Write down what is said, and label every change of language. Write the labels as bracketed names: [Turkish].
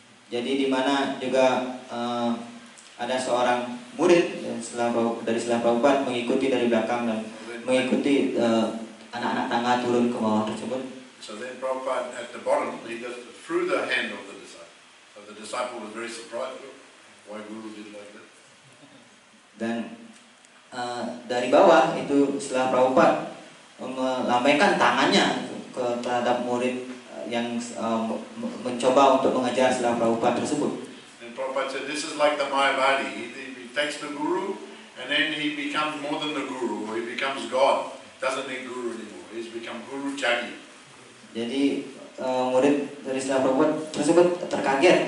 [Indonesian] Jadi di mana juga ada seorang murid dari Srila Prabhupada mengikuti dari belakang dan mengikuti anak-anak tangga turun ke bawah tersebut. [English] So then Prabhupada at the bottom, he just threw the hand of the disciple. So the disciple was very surprised why Guru did like that. [Indonesian] Dan dari bawah itu Srila Prabhupada melambaikan tangannya terhadap murid yang mencoba untuk mengajar Srila Prabhupada tersebut. [English] Prabhupada said, "This is like the Mayavadi. He takes the guru, and then he becomes more than the guru. He becomes God. Doesn't need guru anymore. He's become Guru Tyagi." [Indonesian] Jadi murid dari Srila Prabhupada tersebut terkaget.